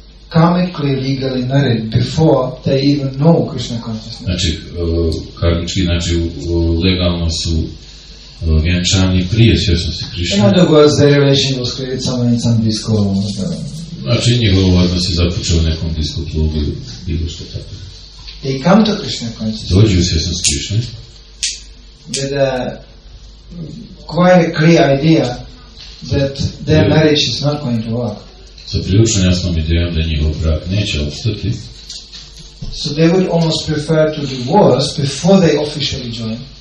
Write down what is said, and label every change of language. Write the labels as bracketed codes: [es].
[en] karmically legally married before they even know Krishna consciousness? [hr] Znači, karmički, znači, legalno su vjenčani prije svjesnosti Krishna. [en] In other words, their relation was created somewhere in some disco. [hr] Znači, njihov odnos je započeo nekom disco klubu ili bilo što tako. [en] They come to Krishna consciousness. [hr] Dođu u svjesnost Krishna. [en] With a quite a clear idea that their marriage is not going to work. [hr] Sa prilično jasnom idejom da njihov brak neće ostati. [en] So they would almost prefer to divorce before they officially join.